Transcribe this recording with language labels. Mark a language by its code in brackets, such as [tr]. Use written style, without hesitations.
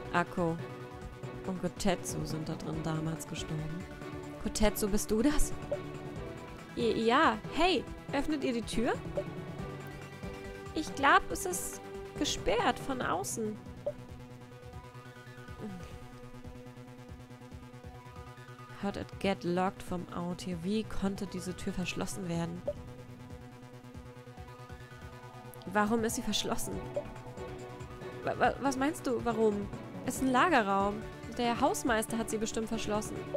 [de] Akko und Kotetsu sind da drin damals gestorben. Kotetsu, bist du das? Ja, hey, öffnet ihr die Tür? Ich glaube, es ist gesperrt von außen. [en] How'd it get locked from out here? [de] Wie konnte diese Tür verschlossen werden? Warum ist sie verschlossen? Was meinst du, warum? Es ist ein Lagerraum. Der Hausmeister hat sie bestimmt verschlossen.